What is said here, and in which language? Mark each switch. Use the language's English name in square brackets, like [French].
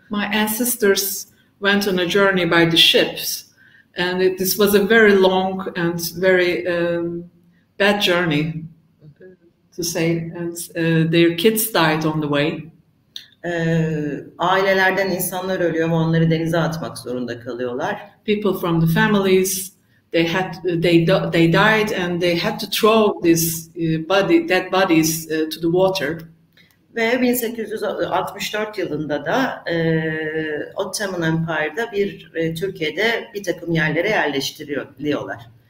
[English] My ancestors went on a journey by the ships, and this was a very long and very bad journey, to say. And their kids died on the way. [Turkish] Ailelerden insanlar ölüyor ve onları denize atmak zorunda kalıyorlar. [English] People from the families, they died and they had to throw this dead bodies to the water. [Turkish] Ve 1864 yılında da Ottoman Empire'da Türkiye'de bir takım yerlere yerleştiriliyorlar.